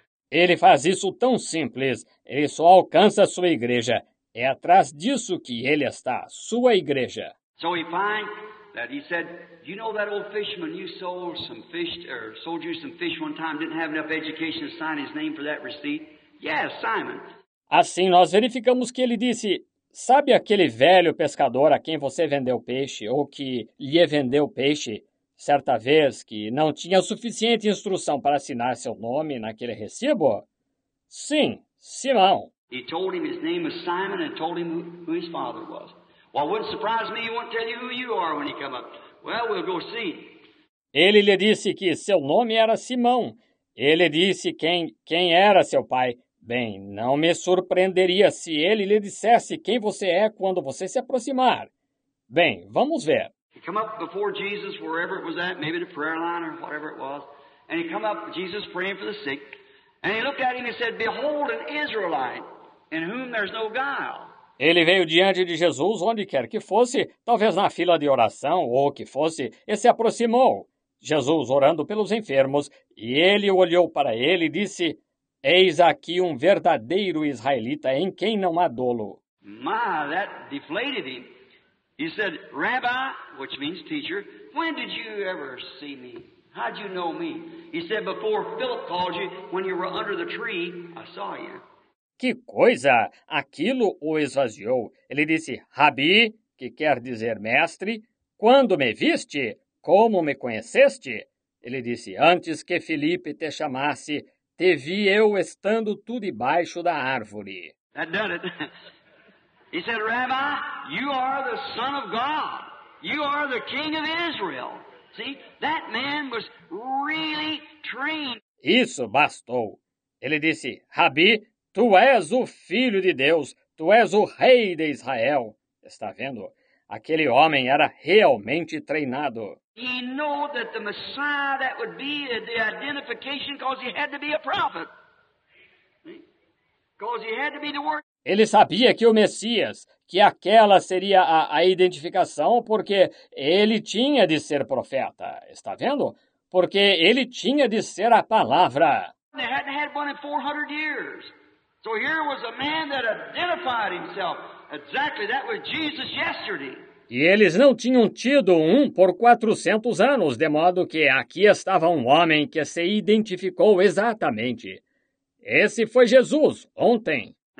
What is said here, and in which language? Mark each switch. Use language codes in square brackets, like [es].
[pt] Ele faz isso tão simples, ele só alcança a sua igreja. É atrás disso que ele está, sua igreja. Então, ele encontra [en] that he said, you know that old fisherman you sold some fish or sold you some fish one time didn't have enough education to sign his name for that receipt? Yes, Simon. [pt] Assim nós verificamos que ele disse, sabe aquele velho pescador a quem você vendeu peixe ou que lhe vendeu peixe certa vez que não tinha suficiente instrução para assinar seu nome naquele recibo? Sim, Simão. [en] He told him his name was Simon and told him who his father was. Well, it wouldn't surprise me, he won't tell you who you are when you come up. Well, we'll go see. [pt] Ele lhe disse que seu nome era Simão. Ele disse quem era seu pai. Bem, não me surpreenderia se ele lhe dissesse quem você é quando você se aproximar. Bem, vamos ver. [en] He come up before Jesus, wherever it was at, maybe the prayer line or whatever it was. And he come up, Jesus praying for the sick. And he looked at him and said, behold, an Israelite in whom there's no guile. [pt] Ele veio diante de Jesus, onde quer que fosse, talvez na fila de oração ou o que fosse, e se aproximou. Jesus orando pelos enfermos, e ele olhou para ele e disse, eis aqui um verdadeiro israelita em quem não há dolo. [en] My, that deflated him. He said, Rabbi, which means teacher, when did you ever see me? How'd you know me? He said, before Philip called you, when you were under the tree, I saw you. [pt] Que coisa! Aquilo o esvaziou. Ele disse, Rabi, que quer dizer mestre, quando me viste? Como me conheceste? Ele disse, antes que Felipe te chamasse, te vi eu estando tu debaixo da árvore. [en] That done it. He said, Rabbi, you are the son of God. You are the king of Israel. See, that man was really trained. [pt] Isso bastou. Ele disse, Rabi, tu és o filho de Deus. Tu és o rei de Israel. Está vendo? Aquele homem era realmente treinado. [en] He knew that the Messiah that would be the identification because he had to be a prophet. Because he had to be the word. [pt] Ele sabia que o Messias, que aquela seria a identificação, porque ele tinha de ser profeta, está vendo? Porque ele tinha de ser a palavra. [en] They hadn't had one in 400 years. So here was a man that identified himself. Exactly, that was Jesus yesterday. [pt] E eles não tinham tido um por 400 anos, de modo que aqui estava um homem que se identificou exatamente. Esse foi Jesus, ontem.